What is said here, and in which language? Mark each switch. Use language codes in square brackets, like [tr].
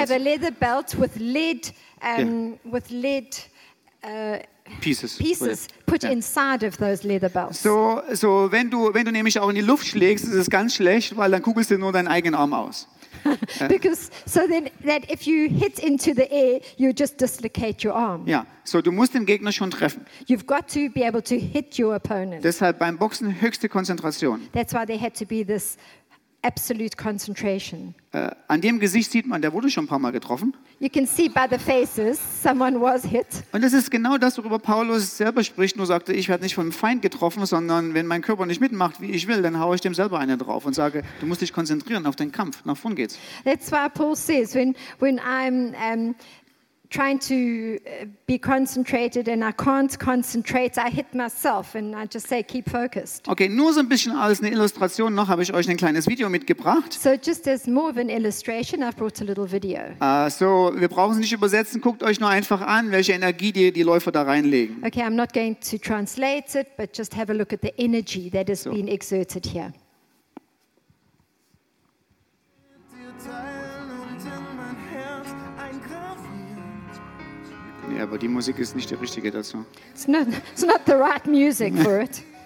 [en] Have a leather belt with lead yeah. with lead pieces put yeah. inside of those leather belts. [de] So wenn du nämlich auch in die Luft schlägst, ist es ganz schlecht, weil dann kugelst du nur deinen eigenen Arm aus. [en] Because so then that if you hit into the air, you just dislocate your arm. [de] Ja, so du musst den Gegner schon treffen. [en] You've got to be able to hit your opponent. [de] Deshalb beim Boxen höchste Konzentration. [en] That's why there had to be this absolute concentration. [de] An dem Gesicht sieht man, der wurde schon ein paar Mal getroffen. [en] You can see by the faces, someone was hit. [de] Und das ist genau das, worüber Paulus selber spricht, nur sagte, ich werde nicht vom Feind getroffen, sondern wenn mein Körper nicht mitmacht, wie ich will, dann haue ich dem selber eine drauf und sage, du musst dich konzentrieren auf den Kampf, nach vorn geht's. [en] That's why Paul says, when I'm trying to be concentrated and I can't concentrate, I hit myself and I just say keep focused. [de] Okay, nur so ein bisschen als eine Illustration noch habe ich euch ein kleines Video mitgebracht. [en] So just as more of an illustration, I've brought a little video. [de] So wir brauchen es nicht übersetzen, guckt euch nur einfach an, welche Energie die Läufer da reinlegen. [en] Okay, I'm not going to translate it, but just have a look at the energy that has been exerted here. [de] Ja, aber die Musik ist nicht die richtige dazu. [en] It's not the right music for it.